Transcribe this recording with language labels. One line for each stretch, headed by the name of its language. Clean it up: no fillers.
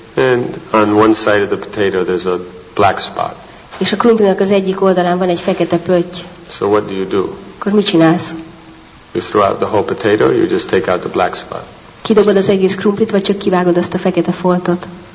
English: And on one side of the potato there's a black spot.
Hungarian: És a krumplinak az egyik oldalán van egy fekete pötty.
English: So what do you do?
Hungarian: Akkor mit csinálsz?
English: You throw out the whole potato, you just take out the black spot.
Hungarian: Kidobod az egész krumplit, vagy csak kivágod azt a fekete foltot.